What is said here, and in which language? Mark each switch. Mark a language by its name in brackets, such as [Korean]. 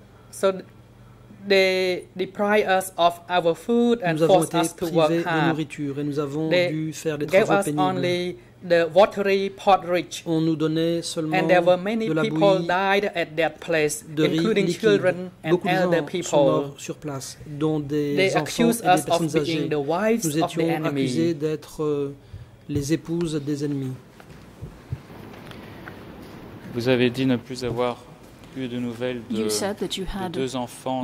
[English] So they deprived us of our food and forced us to work hard. [French] Nous avons été privés de nourriture et nous avons dû faire des travaux pénibles. [English] They gave us only the watery porridge. [French] On nous donnait seulement de la bouillie. [English] And there were many people died at that place, including children and elder people. [French] Beaucoup de gens sont morts sur place, dont des enfants et des personnes âgées. Nous étions accusés d'être les épouses des ennemis. Vous avez dit ne plus avoir eu de nouvelles de deux enfants